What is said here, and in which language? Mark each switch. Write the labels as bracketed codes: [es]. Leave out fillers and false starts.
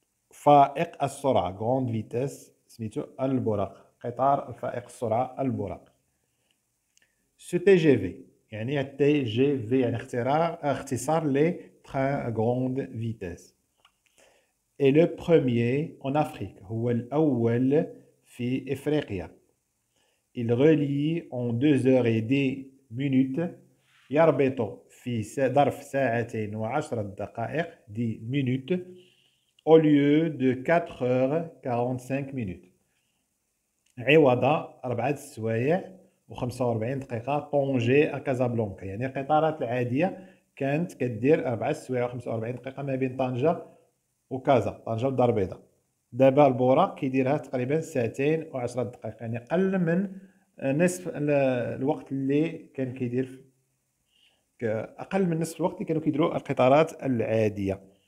[ar] فائق السرعة، [fr] grande vitesse، [ar] سميتو البراق، قطار فائق السرعة البراق. [fr] Ce TGV، [ar] يعني TGV، يعني اختصار لي [fr] train à grande vitesse. Et le premier en Afrique، [ar] هو الأول في إفريقيا. [fr] Il relie en 2 heures et 10 minutes، [ar] يربط في ظرف ساعتين وعشر دقائق، [fr] 10 minutes، au lieu de 4 heures 45 minutes. [ar] عوض 4 سوايع و 45 دقيقة طونجي كازابلانكا، يعني القطارات العادية كانت كدير 4 سوايع و 45 دقيقة ما بين طنجة وكازا، طنجة والدار البيضاء. دابا البورا كيديرها تقريبا ساعتين و 10 دقائق، يعني قل من نصف الوقت اللي كان كيدير، اقل من نصف الوقت اللي كانوا كيديروا القطارات العادية.